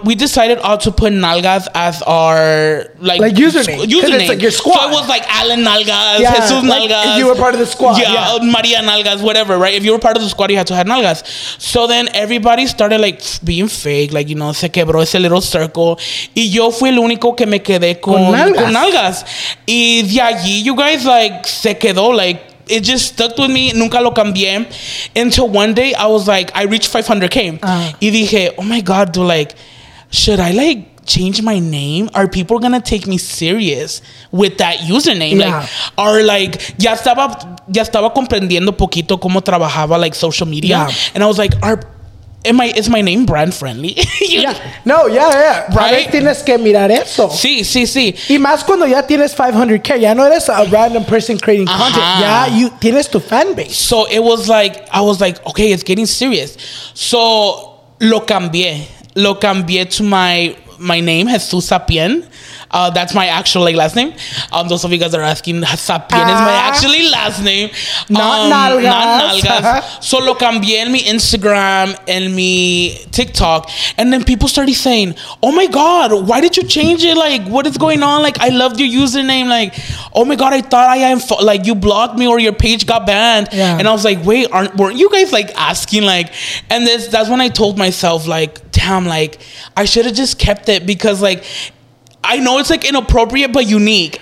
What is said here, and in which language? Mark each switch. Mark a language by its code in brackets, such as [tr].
[en] We decided all to put Nalgas as our like username. It's like your squad. So it was like Alan Nalgas, yeah, Jesús Nalgas. If you were part of the squad. Yeah, Maria Nalgas, whatever, right? If you were part of the squad, you had to have Nalgas. So then everybody started like being fake, like, you know, [es] se quebró ese [en] little circle. [es] Y yo fui el único que me quedé con Nalgas. Y de allí, [en] you guys, like, [es] se quedó, [en] like, it just stuck with me. [es] Nunca lo cambié. [en] Until one day, I was like, I reached 500K. [es] Y dije, [en] oh my God, dude, like, should I, like, change my name? Are people gonna take me serious with that username? Yeah. [es] Like, are like, ya estaba comprendiendo poquito cómo trabajaba like social media. [en] Yeah. And I was like, is my name brand friendly? yeah. Right? [es] Tienes que mirar eso. Sí. Y más cuando ya tienes 500K, ya no eres [en] a random person creating content. [es] Ya you tienes tu fan base. [en] So it was like, I was like, okay, it's getting serious. So [es] lo cambié [en] to my name, Jesús Sapien. That's my actual like last name. Those of you guys are asking, Sapien is my actually last name. Not Nalgas. [es] So lo cambié en mi Instagram, en mi TikTok. [en] And then people started saying, oh my God, why did you change it? Like, what is going on? Like, I loved your username. Like, oh my God, I thought like you blocked me or your page got banned. Yeah. And I was like, wait, weren't you guys like asking like, and that's when I told myself like, damn, like I should have just kept it because like, I know it's like inappropriate, but unique.